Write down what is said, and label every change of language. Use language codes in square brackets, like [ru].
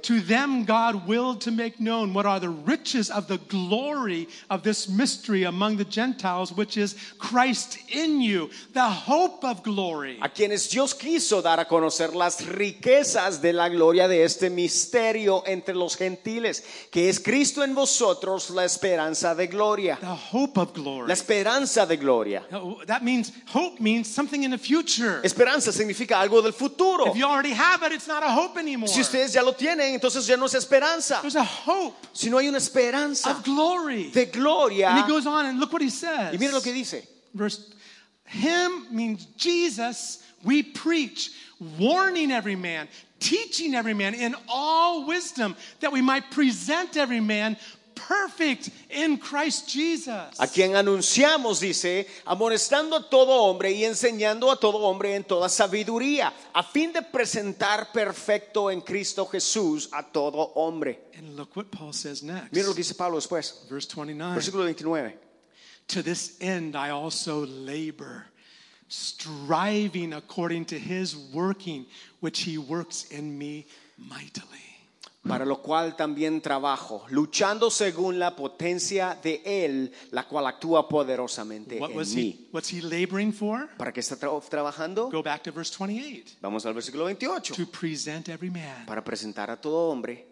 [en] To them God willed to make known what are the riches of the glory of this mystery among the Gentiles, which is Christ in you, the hope of glory. [es] A quienes Dios quiso dar a conocer las riquezas de la gloria de este misterio entre los gentiles, que es Cristo en vosotros, la esperanza de gloria. [en] The hope of glory. [es] La esperanza de gloria. [en] That means hope means something in the future. [es] Esperanza significa algo del futuro. [en] If you already have it, it's not a hope anymore. [es] Si ustedes ya lo tienen, entonces ya no es esperanza. [en] There's a hope. [es] Si no hay una esperanza. [en] Of glory. [es] De gloria. [en] And he goes on and look what he says. [es] Y miren lo que dice. [en] Verse, him means Jesus. We preach, warning every man, teaching every man in all wisdom, that we might present every man perfect in Christ Jesus. [es] A quien anunciamos, dice, amonestando a todo hombre y enseñando a todo hombre en toda sabiduría, a fin de presentar perfecto en Cristo Jesús a todo hombre. [en] And look what Paul says next. [es] Mira lo que dice Pablo después. [en] Verse 29. [es] Versículo 29. [en] To this end I also labor, striving according to his working, which he works in me mightily. [es] Para lo cual también trabajo, luchando según la potencia de Él, la cual actúa poderosamente en mí. [en] What's he laboring for? [es] ¿Para qué está trabajando? [en] Go back to verse 28. [es] Vamos al versículo 28. [en] To present every man. [es] Para presentar a todo hombre.